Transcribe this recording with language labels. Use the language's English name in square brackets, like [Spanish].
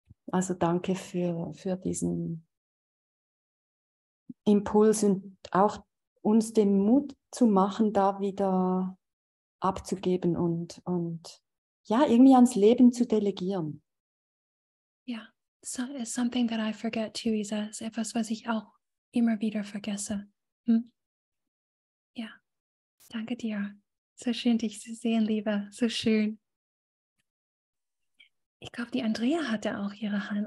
[German] Also danke für diesen Impuls und auch uns den Mut zu machen, da wieder abzugeben und ja, irgendwie ans Leben zu delegieren. [English] Ja, so is something that I forget too, Isa. [German] Ist etwas, was ich auch immer wieder vergesse. Ja, danke dir. So schön, dich zu sehen, Liebe. So schön. Ich glaube, die Andrea hatte auch ihre Hand.